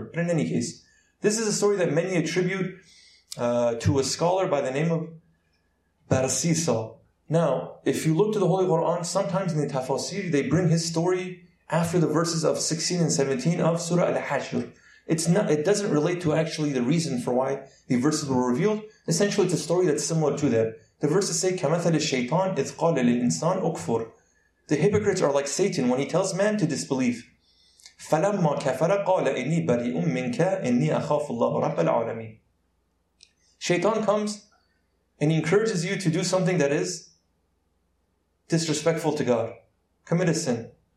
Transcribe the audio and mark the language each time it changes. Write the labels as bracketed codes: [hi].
[en] But in any case, this is a story that many attribute to a scholar by the name of Barsisa. Now, if you look to the Holy Quran, sometimes in the Tafasir, they bring his story after the verses of 16 and 17 of Surah Al-Hashr. It doesn't relate to actually the reason for why the verses were revealed. Essentially, it's a story that's similar to that. The verses say, [ar] كَمَثَلِ الشَّيْطَانِ إِذْ قَالَ لِلْإِنسَانِ أُكْفُرْ. [en] The hypocrites are like Satan when he tells man to disbelieve. [ar] فَلَمَّا كَفَرَ قَالَ إِنِّي بَرِئٌ مِّنْكَ إِنِّي أَخَافُ اللَّهُ رَبَّ الْعَالَمِينَ. [en] Shaitan comes and he encourages you to do something that is disrespectful to God. Commit a sin.